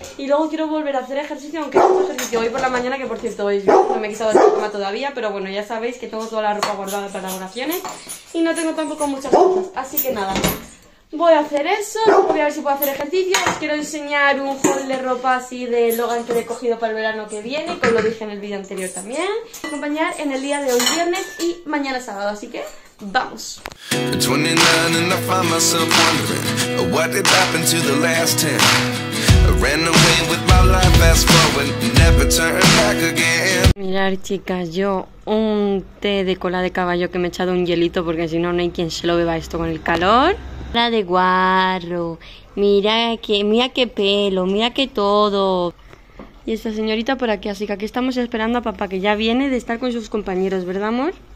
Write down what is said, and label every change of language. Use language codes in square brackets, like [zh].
[es] Y luego quiero volver a hacer ejercicio, aunque he hecho ejercicio hoy por la mañana, que por cierto hoy no me he quitado la pijama todavía, pero bueno, ya sabéis que tengo toda la ropa guardada para las oraciones y no tengo tampoco muchas cosas, así que nada, voy a hacer eso, voy a ver si puedo hacer ejercicio. Os quiero enseñar un haul de ropa así de Logan que he cogido para el verano que viene, como lo dije en el vídeo anterior también. Voy a acompañar en el día de hoy viernes y mañana sábado, así que vamos. [en] At 29 and I find myself wondering, what did happen to the last 10? I ran away with my life fast forward, never turned back again. [es] Mirad, chicas, yo un té de cola de caballo que me he echado un hielito, porque si no, no hay quien se lo beba esto con el calor. Cara de guarro, mira qué pelo, mira qué todo. Y esta señorita por aquí, así que aquí estamos esperando a papá, que ya viene de estar con sus compañeros, ¿verdad, amor?